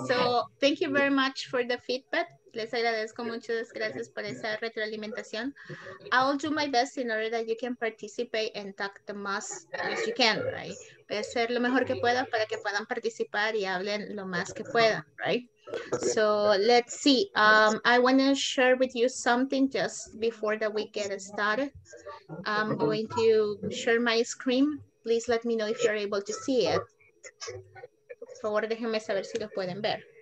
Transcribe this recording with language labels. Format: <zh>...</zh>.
<en>So, thank you very much for the feedback.</en> <es>Les agradezco mucho, gracias por esa retroalimentación.</es> <en>I'll do my best in order that you can participate and talk the most as you can, right?</en> <es>Voy a hacer lo mejor que pueda para que puedan participar y hablen lo más que puedan, right?</es> <en>So let's see. I want to share with you something just before that we get started. I'm going to share my screen. Please let me know if you're able to see it.</en> <es>Por favor, déjenme saber si lo pueden ver.</es>